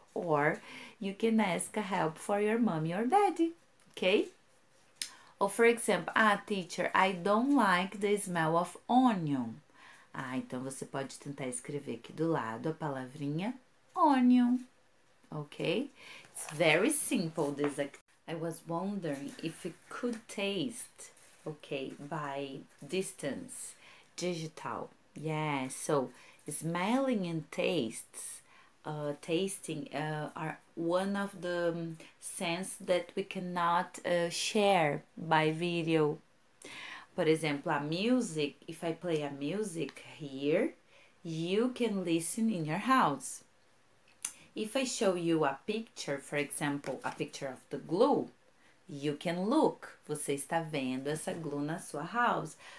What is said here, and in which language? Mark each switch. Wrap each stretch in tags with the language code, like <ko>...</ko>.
<en>Or you can ask help for your mommy or daddy, okay? Or for example, ah, teacher, I don't like the smell of onion.</en> <pt>Ah, então você pode tentar escrever aqui do lado a palavrinha onion, okay?</pt> <en>It's very simple, this. I was wondering if it could taste, okay, by distance, digital. Yeah, so smelling and tastes, tasting are one of the sense that we cannot share by video. For example, a music, if I play a music here, you can listen in your house. If I show you a picture, for example, a picture of the glue, you can look.</en> <pt>Você está vendo essa glue na sua house.</pt>